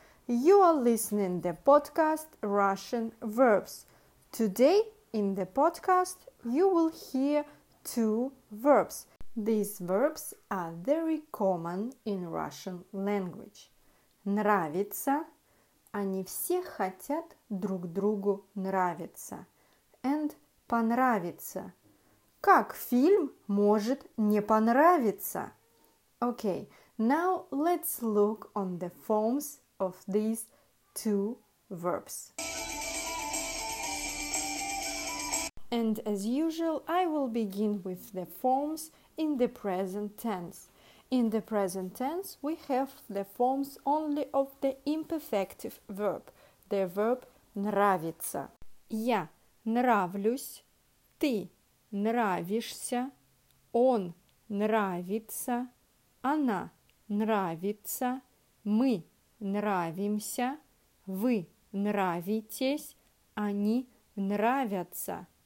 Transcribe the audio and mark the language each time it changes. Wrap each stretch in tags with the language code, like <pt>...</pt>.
<en>You are listening to the podcast Russian Verbs. Today in the podcast you will hear two verbs. These verbs are very common in Russian language.</en> <ru>Нравится. Они все хотят друг другу нравиться. And понравится. Как фильм может не понравиться?</ru> <en>Okay. Now let's look on the forms of these two verbs. And as usual, I will begin with the forms in the present tense. In the present tense, we have the forms only of the imperfective verb, the verb нравится.</en> <ru>Я нравлюсь, ты нравишься, он нравится, она нравится, мы нравимся, вы нравитесь, они нравятся.</ru>